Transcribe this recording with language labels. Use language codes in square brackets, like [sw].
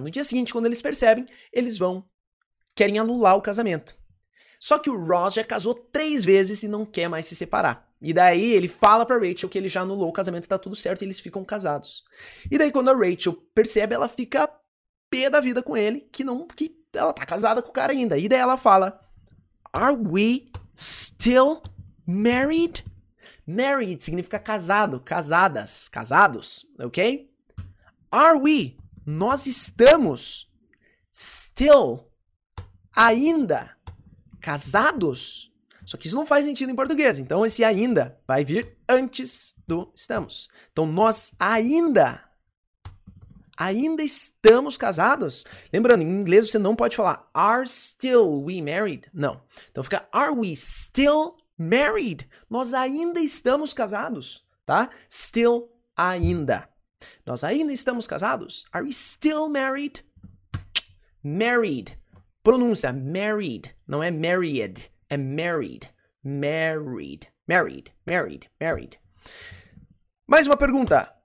[pt] No dia seguinte, quando eles percebem, eles vão, querem anular o casamento. Só que o Ross já casou 3 vezes e não quer mais se separar. E daí ele fala pra Rachel que ele já anulou o casamento, tá tudo certo, e eles ficam casados. E daí quando a Rachel percebe, ela fica pé da vida com ele, que ela tá casada com o cara ainda. E daí ela fala, [en] are we still married? [pt] Married significa casado, casadas, casados, ok? [en] Are we, [pt] nós estamos, still, ainda, casados? Só que isso não faz sentido em português. Então esse ainda vai vir antes do estamos. Então nós ainda estamos casados? Lembrando, em inglês você não pode falar [en] are still we married? [pt] Não. Então fica [en] are we still married? [pt] Nós ainda estamos casados, tá? Still, ainda. Nós ainda estamos casados? [en] Are we still married? Married. [pt] Pronúncia married. Não é married. É married. [en] Married. Married. Married. Married. [pt] Mais uma pergunta.